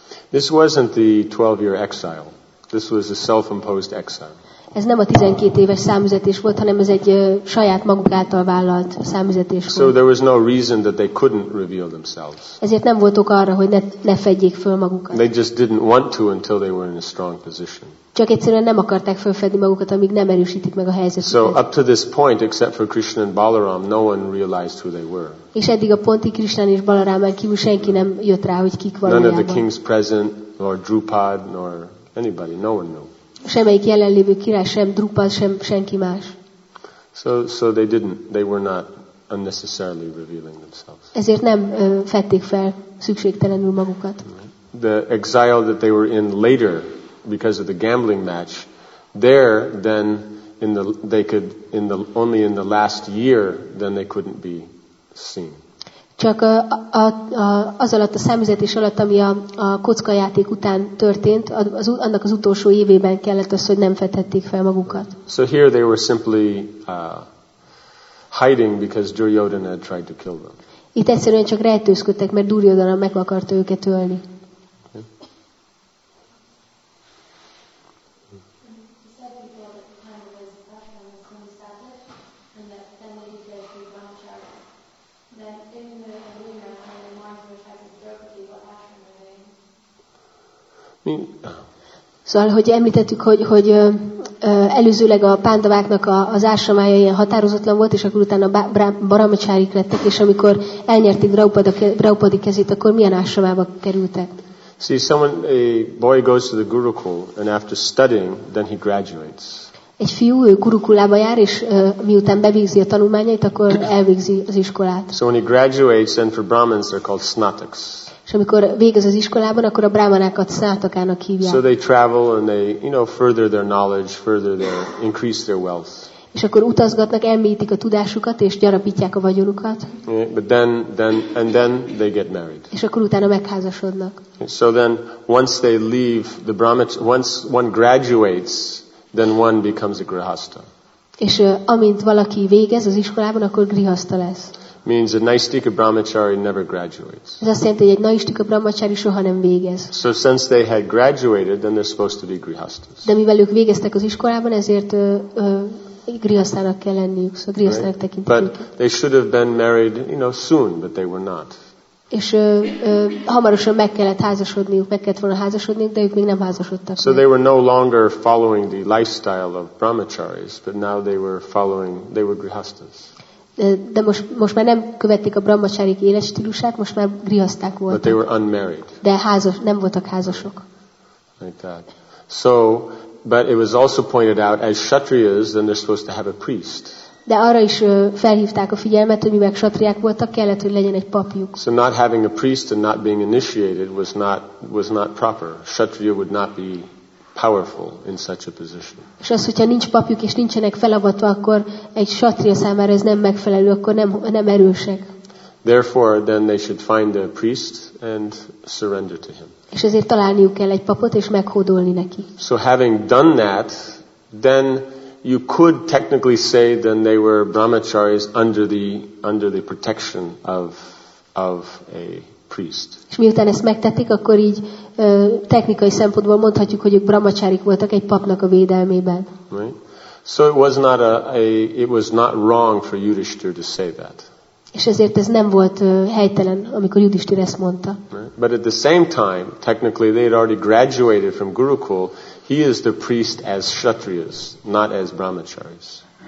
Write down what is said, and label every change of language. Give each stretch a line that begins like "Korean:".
English: This wasn't the 12-year exile. This was a self-imposed exile.
Hungarian: Ez nem a 12 éves számüzetés volt, hanem ez egy saját maguk által vállalt számüzetés volt.
English: So there was no reason that they couldn't reveal themselves.
Hungarian: Ezért nem volt ok arra, hogy ne fedjék föl magukat.
English: They just didn't want to until they were in a strong position.
Hungarian: Csak egyszerűen nem akarták fölfedni magukat, amíg nem erősítik meg a helyzetet.
English: So up to this point, except for Krishna and Balaram, no one realized who they were.
Hungarian: És eddig a pontig Krishnán és Balarámán kívül senki nem jött rá, hogy kik valójában.
English: None of the kings present, nor Drupad, nor anybody, no one knew.
Hungarian: Semmelyik jelenlévő király, sem Drupad, sem senki más.
English: So they didn't, they were not unnecessarily revealing themselves.
Hungarian: Ezért nem fették fel szükségtelenül magukat.
English: The exile that they were in later, because of the gambling match, there then in the last year then they couldn't be seen.
Hungarian: Csak az alatt a számüzetés alatt, ami a kockajáték után történt, annak az utolsó évében kellett az, hogy nem fedhették fel magukat.
English: So here they were simply hiding because Duryodhana had tried to kill them.
Hungarian: Itt egyszerűen csak rejtőzködtek, mert Duryodhana meg akarta őket ölni. Szóval, hogy említettük, hogy előzőleg a pándaváknak az ásramája ilyen határozatlan volt, és akkor utána brahmacsárik lettek, és amikor elnyerték Draupadi kezét, akkor milyen ásramába kerültek?
English: See, a boy goes to the gurukul, and after studying, then he graduates.
Hungarian: Egy fiú, ő gurukulába jár, és miután bevégzi a tanulmányait, akkor elvégzi az iskolát.
English: So when he graduates, then for Brahmins they're called snataks.
Hungarian: És amikor végez az iskolában, akkor a brámanákat snátakának hívják.
English: So they travel and they, you know, further their knowledge, further their, increase their wealth.
Hungarian: És akkor utazgatnak, elmélyítik a tudásukat és gyarapítják a vagyonukat.
English: Yeah, but then they get married.
Hungarian: És akkor utána megházasodnak.
English: So then once they leave the brahmin, once one graduates, then one becomes a grihasta.
Hungarian: És amint valaki végez az iskolában, akkor grihasta lesz.
English: Means a naistika brahmachari never graduates.
Hungarian: Ez azt jelenti, hogy egy naistika brahmachari soha nem végez.
English: So since they had graduated, then they're supposed to be grihasthas.
Hungarian: De mivel ők végeztek az iskolában, ezért grihasthának kell lenniük, szóval grihasthának tekintik.
English: But they should have been married, you know, soon, but they were not.
Hungarian: És hamarosan meg kellett házasodniuk, meg kellett volna házasodniuk, de ők még nem házasodtak.
English: So they were no longer following the lifestyle of brahmacharis, but now they were grihasthas.
Hungarian: De most már nem követték a brahmacharik életstílusát, most már grihaszták voltak.
English: But they were unmarried.
Hungarian: De házas, nem voltak házasok.
English: Like that. So, but it was also pointed out as kshatriyas, then they're supposed to have a priest.
Hungarian: De arra is felhívták a figyelmet, hogy mivel kshatriák voltak, kellett, hogy legyen egy papjuk.
English: So not having a priest and not being initiated was not proper. Kshatriya would not be powerful in such a position.
Hungarian: És az, hogyha nincs papjuk és nincsenek felavatva, akkor egy kshatriya számára ez nem megfelelő, akkor nem erősek.
English: Therefore, then they should find a priest and surrender to him.
Hungarian: És ezért találniuk kell egy papot és meghódolni neki.
English: So having done that, then you could technically say then they were brahmacharis under the protection of a priest.
Hungarian: És miután ezt megtették, akkor így technikai szempontból mondhatjuk, hogy ők brahmacharik voltak egy papnak a védelmében.
English: Right. So it was not it was not wrong for Yudhishthir to say that.
Hungarian: És ezért ez nem volt helytelen, amikor Yudhishthir ezt mondta.
English: Right. But at the same time, technically they had already graduated from Gurukul. He is the priest as kshatriyas, not as brahmacharis.